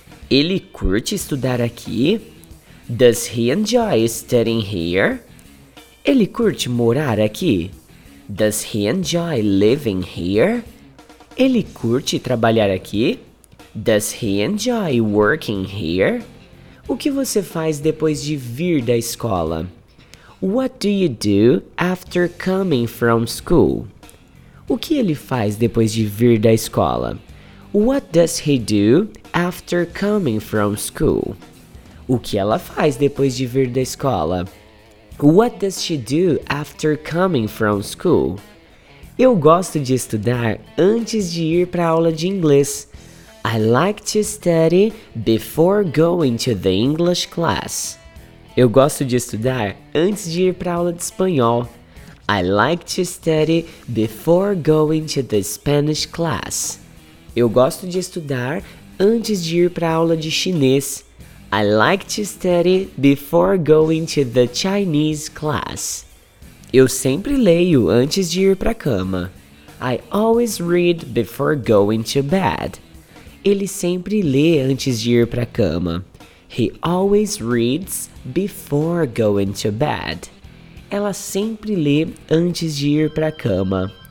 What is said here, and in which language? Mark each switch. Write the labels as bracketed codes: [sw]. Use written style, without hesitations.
[pt] Ele curte estudar aqui? [en] Does he enjoy studying here? [pt] Ele curte morar aqui? [en] Does he enjoy living here? [pt] Ele curte trabalhar aqui? [en] Does he enjoy working here? [pt] O que você faz depois de vir da escola? [en] What do you do after coming from school? [pt] O que ele faz depois de vir da escola? [en] What does he do after coming from school? [pt] O que ela faz depois de vir da escola? [en] What does she do after coming from school? [pt] Eu gosto de estudar antes de ir para aula de inglês. [en] I like to study before going to the English class. [pt] Eu gosto de estudar antes de ir para aula de espanhol. [en] I like to study before going to the Spanish class. [pt] Eu gosto de estudar antes de ir para aula de chinês. [en] I like to study before going to the Chinese class. [pt] Eu sempre leio antes de ir para cama. [en] I always read before going to bed. [pt] Ele sempre lê antes de ir para cama. [en] He always reads before going to bed. [pt] Ela sempre lê antes de ir para cama.